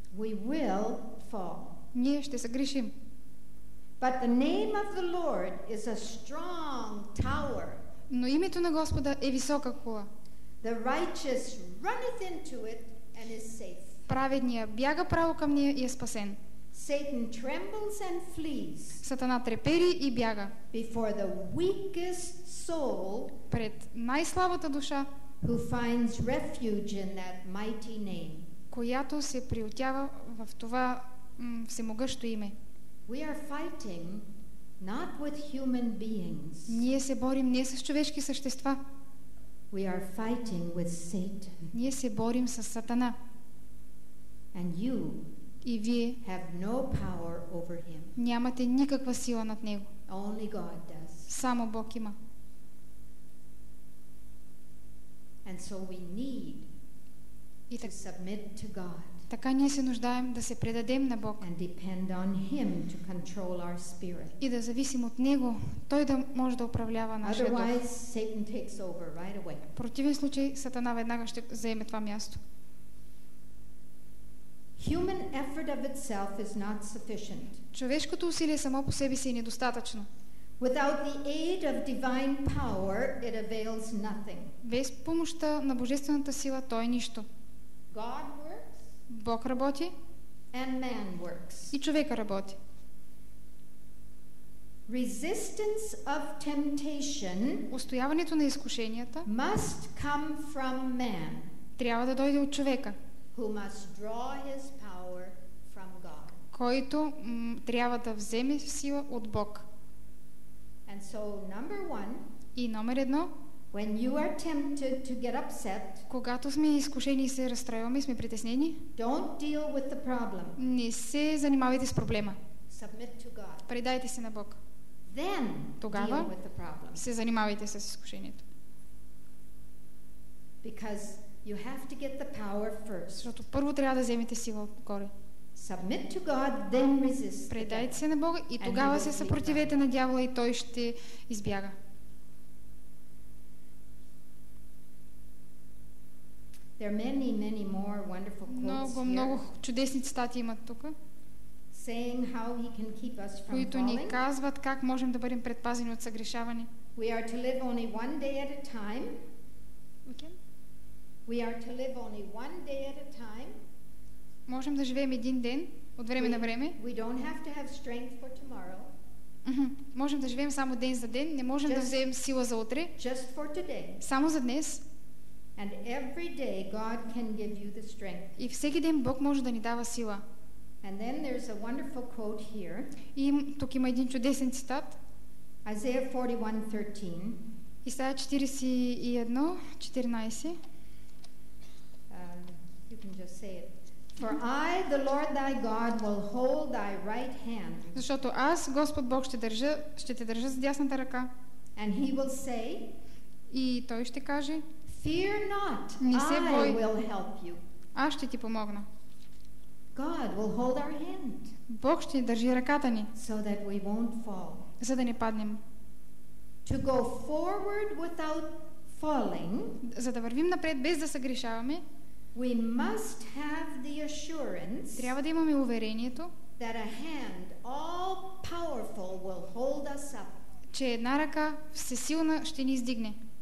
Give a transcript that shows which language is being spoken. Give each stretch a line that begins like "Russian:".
English: We will fall.
Bulgarian: Ние ще съгрешим.
English: But the name of the Lord is a strong tower.
Bulgarian: Но името на Господа е висока кула.
English: The righteous runneth into it and is safe.
Bulgarian: Праведния бяга право към нея и е спасен.
English: Satan trembles and flees.
Bulgarian: Сатана трепери и бяга.
English: Before the weakest soul,
Bulgarian: пред най-слабата душа,
English: who finds refuge in that mighty name,
Bulgarian: която се приютява в това всемогъщо име.
English: We are fighting not with human beings.
Bulgarian: Ние се борим не с човешки същества.
English: We are fighting with Satan.
Bulgarian: Ние се борим с Сатана.
English: And you,
Bulgarian: и вие,
English: have no power over him.
Bulgarian: Нямате никаква сила над него.
English: Only God does.
Bulgarian: Само Бог има.
English: And so we need to submit to God.
Bulgarian: Така ние се нуждаем да се предадем на Бог.
English: And depend on him to control our spirit.
Bulgarian: И да зависим от него, той да може да управлява нашия дух.
English: Otherwise, Satan takes over right away.
Bulgarian: В противен случай Сатана веднага ще заеме това място.
English: Human effort of itself is not sufficient.
Bulgarian: Човешкото усилие само по себе си е недостатъчно.
English: Without the aid of divine power, it avails nothing.
Bulgarian: Без помощта на божествената сила то е нищо.
English: God works.
Bulgarian: Бог работи.
English: And man works.
Bulgarian: И човекът работи.
English: Resistance of temptation,
Bulgarian: устояването на изкушенията,
English: must come from man.
Bulgarian: Трябва да дойде от човека.
English: Who must draw his power from God.
Bulgarian: Който трябва да вземе сила от Бог.
English: And so, number one,
Bulgarian: и номер едно,
English: when you are tempted to get upset,
Bulgarian: когато сме изкушени и се разстраиваме, сме притеснени,
English: don't deal with the problem.
Bulgarian: Не се занимавайте с проблема.
English: Submit to God.
Bulgarian: Предайте се на Бог.
English: Then,
Bulgarian: тогава
English: deal with the problem.
Bulgarian: Се занимавайте с изкушението.
English: Because you have to get the power first.
Bulgarian: Защото първо трябва да вземете сила отгоре.
English: Submit to God, then resist.
Bulgarian: Предайте се на Бога и тогава се съпротивете на дявола и той ще избяга.
English: There are many, many more wonderful quotes
Bulgarian: Много, много чудесни цитати имат тук.
English: saying how he can keep us from
Bulgarian: които ни казват как можем да бъдем предпазени от съгрешаване.
English: We are to live only one day at a time. We are to live only one day at a time.
Bulgarian: Можем да живеем един ден от време на време.
English: We don't have to have strength for tomorrow.
Bulgarian: Можем да живеем само ден за ден, не можем да вземем сила за утре.
English: Just for today.
Bulgarian: Само за днес.
English: And every day God can give you the strength.
Bulgarian: И всеки ден Бог може да ни дава сила.
English: And then there's a wonderful quote here.
Bulgarian: И тук има един чудесен цитат.
English: Isaiah 41:13.
Bulgarian: Исаия 41:14.
English: You can just say it. For I, the Lord thy God, will hold thy right hand.
Bulgarian: Защото аз, Господ Бог, ще те държа с дясната ръка.
English: And he will say.
Bulgarian: И той ще каже.
English: Fear not.
Bulgarian: Не се бой.
English: I will help you.
Bulgarian: Аз ще ти помогна.
English: God will hold our hand.
Bulgarian: Бог ще държи ръката ни.
English: So that we won't fall.
Bulgarian: За да не паднем.
English: To go forward without falling.
Bulgarian: За да вървим напред без да съгрешаваме.
English: We must have the assurance.
Bulgarian: Трябва да имаме уверението.
English: That a hand all powerful will hold us up.
Bulgarian: Че една ръка всесилна ще ни издигне.